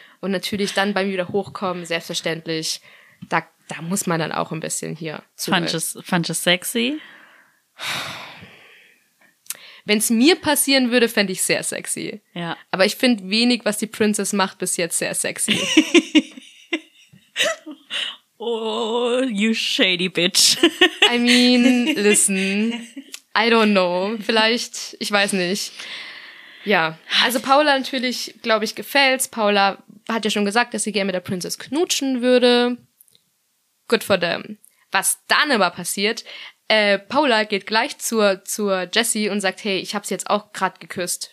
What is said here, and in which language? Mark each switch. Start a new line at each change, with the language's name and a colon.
German: Und natürlich dann beim Wiederhochkommen selbstverständlich Da muss man dann auch ein bisschen hier zu. Fand es sexy? Wenn es mir passieren würde, fände ich sehr sexy. Ja. Aber ich finde wenig, was die Princess macht, bis jetzt sehr sexy.
English: Oh, you shady bitch. I mean, listen, I don't know.
German: Vielleicht, ich weiß nicht. Ja, also Paula natürlich, glaube ich, gefällt's. Paula hat ja schon gesagt, dass sie gerne mit der Princess knutschen würde.
English: Good for them.
German: Was dann aber passiert, Paula geht gleich zur Jessie und sagt, hey, ich hab's jetzt auch gerade geküsst.